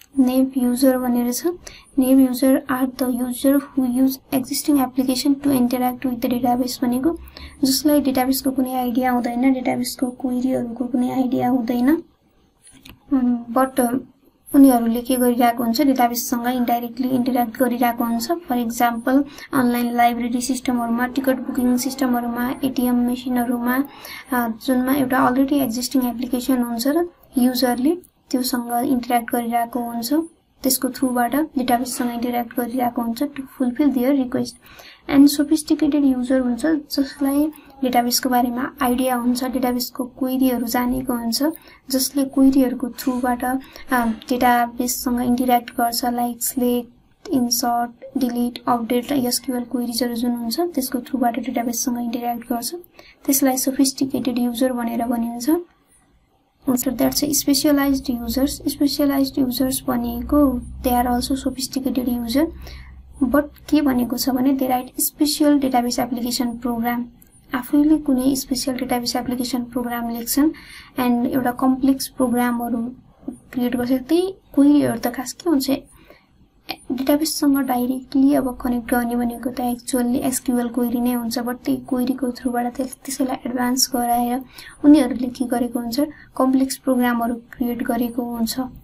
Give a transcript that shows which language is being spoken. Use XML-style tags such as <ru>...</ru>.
<en>Nav user bhanera cha. Nav user are the user who use existing application to interact with the database</en> <ne>bhaneko jaslai database ko kunai idea hudaina, database ko query haru ko kunai idea hudaina but उनीहरुले के गरिरहेको हुन्छ database सँग indirectly interact गरिरहेको हुन्छ. For example online library सिस्टमहरुमा, ticket booking सिस्टमहरुमा, ATM मशिनहरुमा जुनमा एउटा already existing application हुन्छ र युजरले त्यो सँग इन्टरेक्ट गरिरहेको हुन्छ, त्यसको थ्रुबाट डेटाबेस सँग इन्टरेक्ट गरिरहेको हुन्छ</ne> <en>To fulfill their request.</en> <ne>And sophisticated user हुन्छ जसलाई डेटाबेसको बारेमा आइडिया हुन्छ, डेटाबेसको क्वेरीहरू जानेको हुन्छ, जसले क्वेरीहरूको थ्रुबाट डेटाबेससँग इन्टरेक्ट गर्छ like select, insert, delete, update र एसक्युएल क्वेरीजहरू जुन हुन्छ त्यसको थ्रुबाट डेटाबेससँग इन्टरेक्ट गर्छ, त्यसलाई सोफिस्टिकेटेड युजर भनेर भनिन्छ.</ne> <en>So that's specialized users. Specialized users bhaneko they are also sophisticated user but</en> <ne>ke bhaneko cha bhane</ne> <en>they write special database application program.</en> <ne>आफैले कुनै स्पेसियल डेटाबेस एप्लिकेसन प्रोग्राम लेख्छन् एन्ड एउटा complex प्रोग्रामहरू create गर्छ. त्यही क्वेरीहरू त खास के हुन्छ डेटाबेससँग डाइरेक्टली अब कनेक्ट गर्ने भनेको त एक्चुअल्ली एसक्युएल क्वेरी नै हुन्छ, बट त्यही क्वेरीको थ्रुबाट त्यसैलाई एडभान्स गराएर उनीहरूले के गरेको हुन्छ कम्प्लेक्स प्रोग्रामहरू क्रिएट गरेको हुन्छ.</ne>